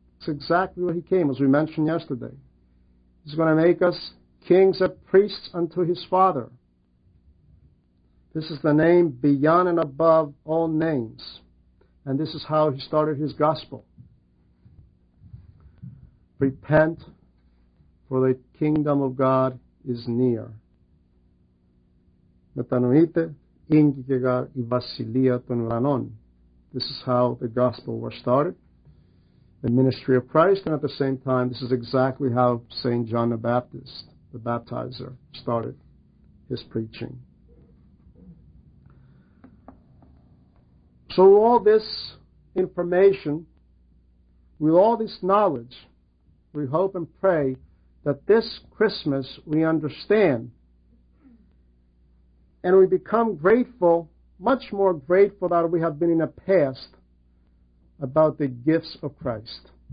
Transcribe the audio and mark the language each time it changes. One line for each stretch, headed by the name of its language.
English: That's exactly what he came, as we mentioned yesterday. He's going to make us kings and priests unto his Father. This is the name beyond and above all names. And this is how he started his gospel. Repent, for the kingdom of God is near.
Greek: Μετανοείτε, ίγκυκεγαρ η βασιλεία των ουρανών.
English: This is how the gospel was started, the ministry of Christ, and at the same time, this is exactly how St. John the Baptist, the baptizer, started his preaching. So all this information, with all this knowledge, we hope and pray that this Christmas we understand and we become grateful, much more grateful than we have been in the past about the gifts of Christ.